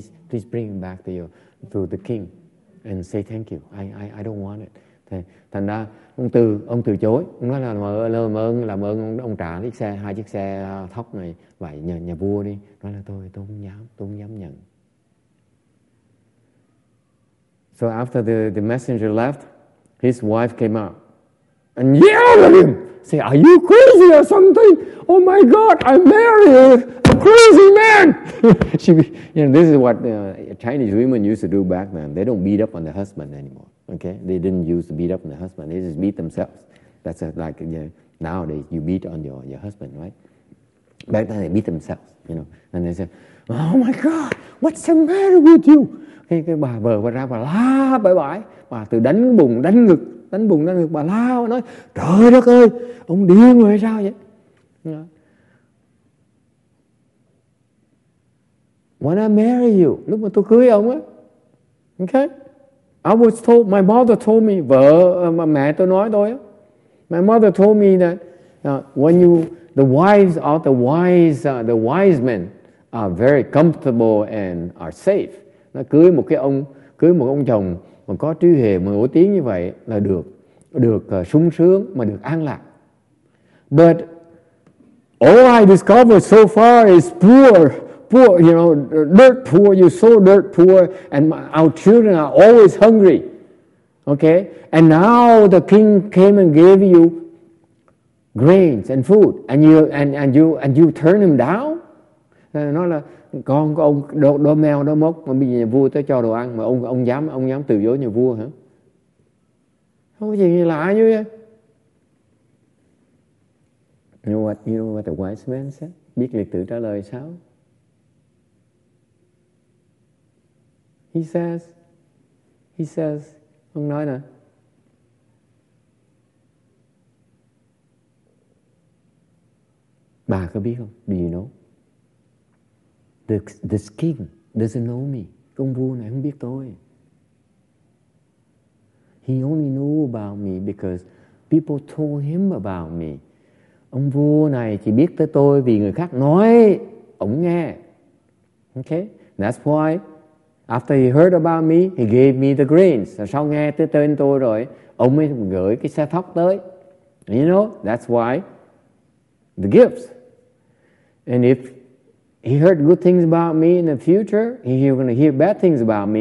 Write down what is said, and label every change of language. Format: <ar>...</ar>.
<en>Please bring it back to the king and say thank you. I don't want it.</en> <vi>Thành ra ông từ chối. Ông nói là làm ơn ông trả hai chiếc xe thóc này vậy nhà vua đi. Nói là tôi không dám nhận.</vi> <en>So after the messenger left, his wife came up and yelled at him. Say, are you crazy or something? Oh my God, I'm married a crazy man. She, you know, this is what Chinese women used to do back then. They don't beat up on the husband anymore. Okay, they didn't use to beat up on the husband. They just beat themselves. That's like, you know, nowadays you beat on your husband, right? Back then they beat themselves, you know, and they said, oh my God, what's the matter with you?</en> <vi>Okay, cái bà vờ bà ra bà la bà bãi, bà tự đánh bụng đánh ngực. Đánh bụng đánh ngực bà lao nói, trời đất ơi, ông điên rồi hay sao vậy?</vi> <en>When I marry you,</en> <vi>lúc mà tôi cưới ông á,</vi> <en>okay? I was told, my mother told me,</en> <vi>vợ mà mẹ tôi nói tôi á,</vi> <en>my mother told me that when you, the wives of the wise men are very comfortable and are safe.</en> <vi>Nó cưới một cái ông, cưới một ông chồng mà có trí huệ mà nổi tiếng như vậy là được, được sung sướng mà được an lạc.</vi> <en>But all I discovered so far is poor, you know, dirt poor. You're so dirt poor, and our children are always hungry. Okay, and now the king came and gave you grains and food, and you turn him down.</en> <vi>Nói là con của ông đó mèo đó mốc mà bây giờ nhà vua tới cho đồ ăn mà ông dám từ chối nhà vua hả? Không có gì lạ như vậy.</vi> <en>You know what the wise man said?</en> <vi>Biết liệt tử trả lời sao?</vi> <en>He says,</en> <vi>ông nói nè. Bà có biết không?</vi> <en>Do you know? This king doesn't know me.</en> <vi>Ông vua này không biết tôi.</vi> <en>He only knew about me because people told him about me.</en> <vi>Ông vua này chỉ biết tới tôi vì người khác nói, ông nghe.</vi> <en>Okay? That's why after he heard about me, he gave me the grains.</en> <vi>Sau nghe tới tên tôi rồi, ông mới gửi cái xe thóc tới.</vi> <en>You know? That's why the gifts. And if he heard good things about me in the future, he's going to hear bad things about me.</en>